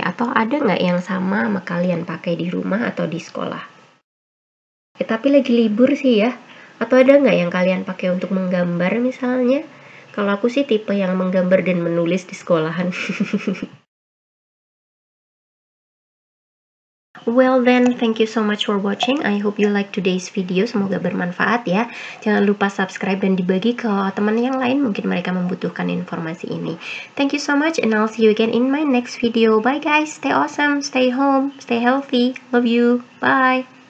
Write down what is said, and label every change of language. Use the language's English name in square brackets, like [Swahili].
[Indonesian] Atau ada gak yang sama kalian pakai di rumah atau di sekolah? Tapi lagi libur sih ya. Atau ada nggak yang kalian pakai untuk menggambar misalnya? Kalau aku sih tipe yang menggambar dan menulis di sekolahan. [English] Well then, thank you so much for watching. I hope you like today's video. [Indonesian] Semoga bermanfaat ya. Jangan lupa subscribe dan dibagi ke teman yang lain. Mungkin mereka membutuhkan informasi ini. [English] Thank you so much and I'll see you again in my next video. Bye guys, stay awesome, stay home, stay healthy. Love you, bye.